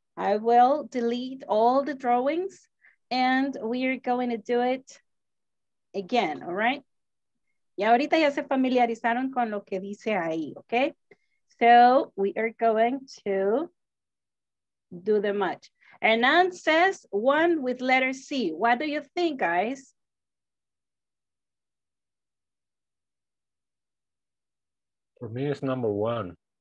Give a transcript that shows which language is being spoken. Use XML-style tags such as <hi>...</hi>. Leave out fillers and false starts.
<en>I will delete all the drawings and we are going to do it again, all right?</en> <es>Y ahorita ya se familiarizaron con lo que dice ahí, okay?</es> <en>So we are going to do the match. Hernan says one with letter C. What do you think, guys? For me, it's number one.</en>